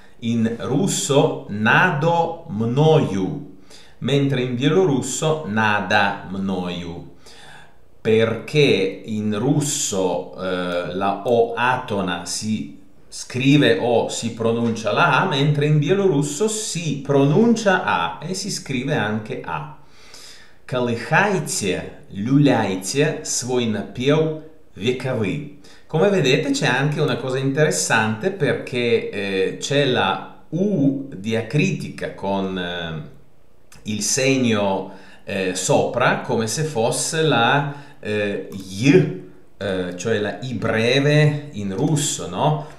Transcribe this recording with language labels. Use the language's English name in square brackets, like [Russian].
[Italian] In russo, nado mnoju, mentre in bielorusso, nada mnoju. Perché in russo la O atona si scrive o si pronuncia la A, mentre in bielorusso si pronuncia A e si scrive anche A. [Belarusian] Калыхайте, люляйте свой напев вековы. [Italian] Come vedete c'è anche una cosa interessante perché c'è la U diacritica con il segno sopra, come se fosse la Y, cioè la I breve in russo, no?